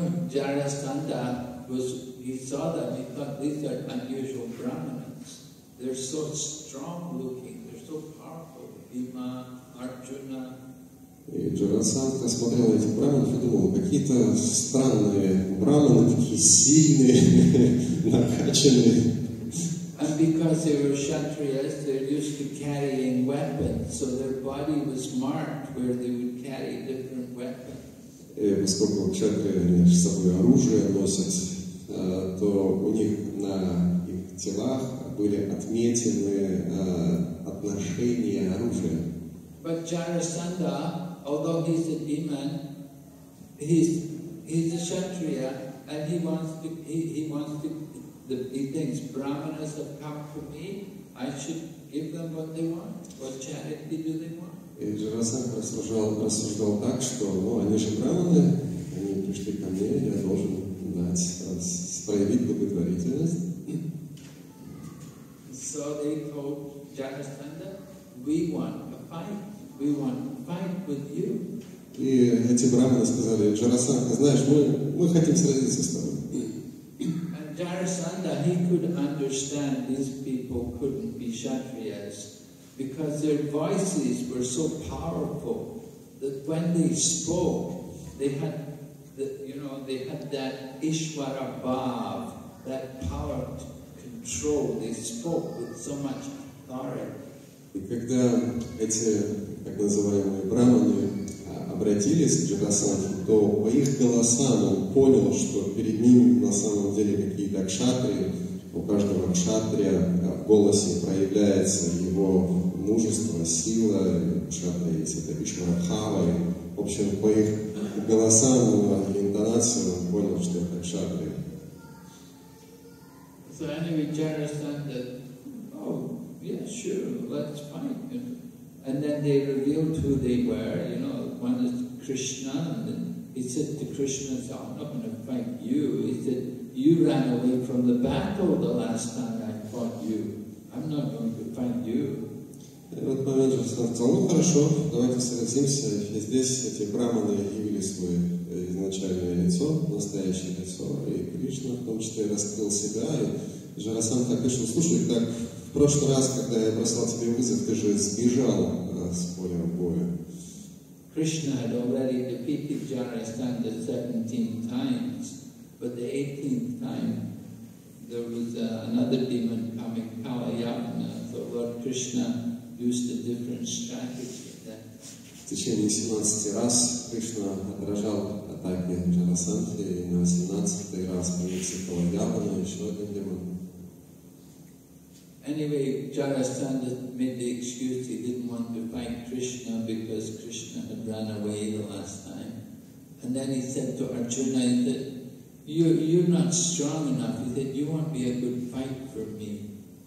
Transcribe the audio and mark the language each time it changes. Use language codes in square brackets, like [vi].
[en] Jarasandha was He saw them, he thought these are unusual brahmanas. They're so strong looking, they're so powerful. Bhima, Arjuna. [ru] И Jarasandha смотрел этих брахманов и думал, какие-то странные брахманы, такие сильные, накачанные. [en] And because they were kshatriyas, they're used to carrying weapons, so their body was marked where they would carry different weapons. [ru] И поскольку кшатрия, они с собой оружие носят, то у них на их телах были отмечены отношения оружия. [en] But Jarasandha, although he's a demon, he's a kshatriya, and he thinks brahmanas have come to me, I should give them what they want. What charity do they want? [ru] И Jarasandha рассуждал так, что, ну, они же брахманы, они пришли ко мне, я должен проявить благотворительность. [en] So they told Jarasandha, we want a fight. We want a fight with you. [ru] И эти брахманы сказали, Jarasandha, знаешь, мы хотим сразиться с тобой. [en] And Jarasandha, he could understand these people couldn't be kshatriyas because their voices were so powerful that when they spoke, they had they had that Ishvara Bhav, that power to control. They spoke with so much authority. [ru] И когда эти так называемые брахманы обратились к Jarasandhе, то по их голосам он понял, что перед ним на самом деле какие-то кшатрии. У каждого кшатрия в голосе проявляется его мужество, сила. Кшатрия есть это Ишвара Бхава. В общем, по их голосам понял, что это кшатрия. [en] So anyway, Jarasandha, oh, yeah, sure, let's fight. And then they revealed who they were, you know, one is Krishna, and he said to Krishna, I'm not going to fight you. He said, you ran away from the battle the last time I fought you. I'm not going to fight you. [ru] И в этот момент он сказал, ну хорошо, давайте согласимся. И здесь эти браманы явили свое изначальное лицо, настоящее лицо, и Кришна в том числе раскрыл себя. И Жарасандха Кришна, слушай, так в прошлый раз, когда я бросал тебе вызов, ты же сбежал с поля боя. [en] Кришна had already defeated Jarasandha 17 times, but the 18th time there was another demon coming, Kalayapana, so Lord Krishna used a different strategy. [ru] В течение 17 раз Кришна отражал атаки Джарасандхи, и на 18 раз появился Калаяпана, еще один демон. [en] Anyway, Jarasandha made the excuse he didn't want to fight Krishna because Krishna had run away the last time. And then he said to Arjuna, he said, you're not strong enough. He said, you won't be a good fight for me.